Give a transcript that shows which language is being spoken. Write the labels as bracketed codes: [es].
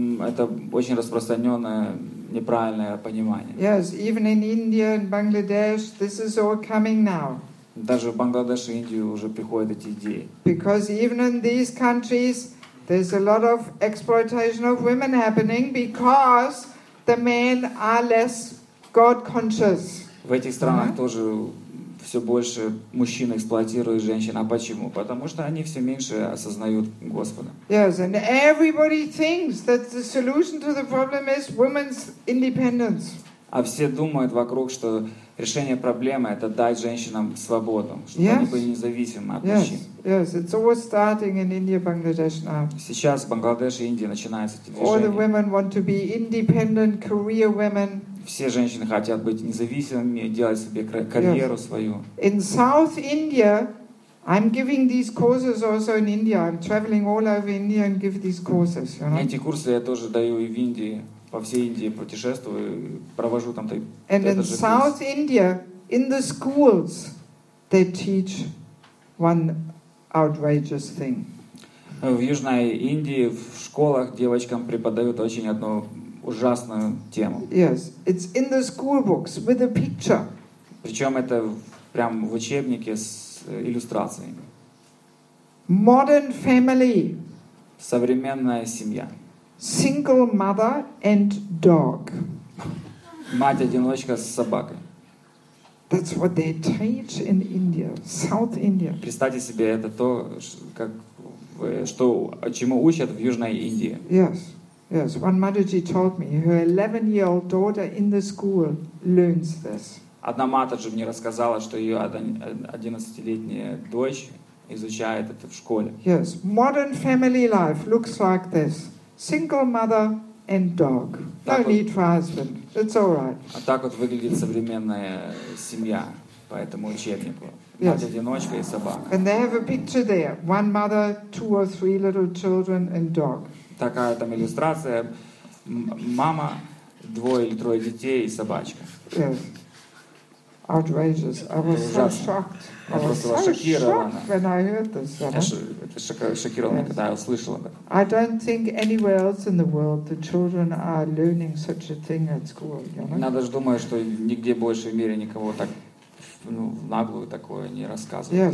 [ru] Это очень распространенное неправильное понимание. [en] Yes, even in India and Bangladesh, this is all coming now. [ru] Даже в Бангладеш и Индии уже приходят эти идеи. [en] Because even in these countries, there's a lot of exploitation of women happening because the men are less God-conscious. [ru] В этих странах тоже все больше мужчин эксплуатируют женщин. А почему? Потому что они все меньше осознают Господа. [en] Yes, and everybody thinks that the solution to the problem is women's independence. [ru] А все думают вокруг, что решение проблемы — это дать женщинам свободу, чтобы они были независимы от мужчин. [en] Yes, it's all starting in India, Bangladesh now. [ru] Сейчас в Бангладеш и Индии начинается это движение. [en] All the women want to be independent career women. [ru] Все женщины хотят быть независимыми, делать себе карьеру свою. [en] In South India, I'm giving these courses also in India. I'm traveling all over India and give these courses, you know. [ru] Эти курсы я тоже даю и в Индии, по всей Индии путешествую, провожу там такие. [en] And in South India, in the schools, they teach one outrageous thing. [ru] В Южной Индии в школах девочкам преподают очень одну ужасную тему. [en] Yes, it's in the school books with a picture. [ru] Причем это прям в учебнике с иллюстрациями. [en] Modern family. [ru] Современная семья. [en] Single mother and dog. [ru] Мать-одиночка с собакой. [en] That's what they teach in India, South India. [ru] Представьте себе, это то, как, что, чему учат в Южной Индии. [en] Yes, yes. One Mataji told me her 11-year-old daughter in the school learns this. [ru] Одна Матаджи мне рассказала, что ее 11-летняя дочь изучает это в школе. [en] Yes, modern family life looks like this. Single mother and dog. No need for husband. It's all right. [ru] А так вот выглядит современная семья по этому учебнику. Мать-одиночка и собака. [en] And they have a picture there. One mother, two or three little children and dog. [ru] Такая там иллюстрация. Мама, двое или трое детей и собачка. [en] Yes. Outrageous. I was so shocked. I was so shocked when I heard this. [ru] Шокирован, когда я услышал это. [en] I don't think anywhere else in the world the children are learning such a thing at school. [ru] Надо же думать, что нигде больше в мире никого так наглую такое не рассказывают.